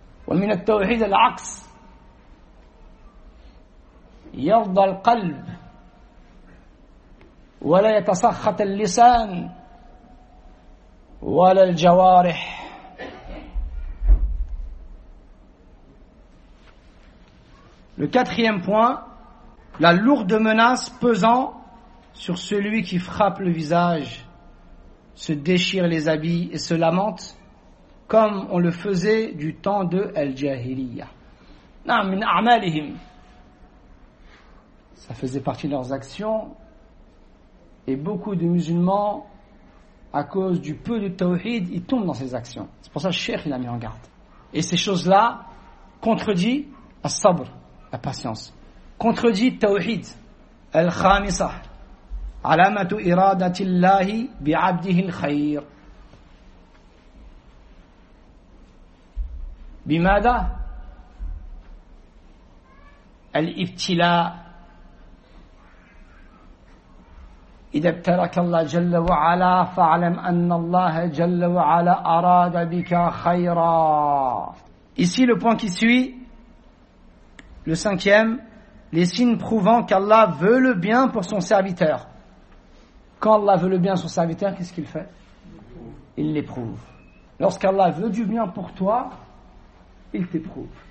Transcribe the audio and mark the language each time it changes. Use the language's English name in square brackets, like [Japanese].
[Arabic] ومن التوحيد العكس يرضى القلب ولا يتسخط اللسان ولا الجوارح. [French] Le quatrième point, la lourde menace pesant sur celui qui frappe le visage, se déchire les habits et se lamente comme on le faisait du temps de Al-Jahiliya. Non, [Arabic] min a'malihim. [French] Ça faisait partie de leurs actions. Et beaucoup de musulmans, à cause du peu de tawhid, ils tombent dans ces actions. C'est pour ça que le Cheikh l'a mis en garde. Et ces choses-là contredit al-sabr, la patience. Contredit tawhid. [Arabic] Al-Khamisa. Alamatu iradatillahi bi'abdihi al-khayr. Bimada al-ibtila إذا ابتلك الله جل وعلا فاعلم أن الله جل وعلا أراد بك خيرا. [French] Ici le point qui suit, le cinquième, les signes prouvant qu'Allah veut le bien pour son serviteur. Quand Allah veut le bien à son serviteur, qu'est-ce qu'il fait ? Il l'éprouve. Lorsqu'Allah veut du bien pour toi, il t'éprouve.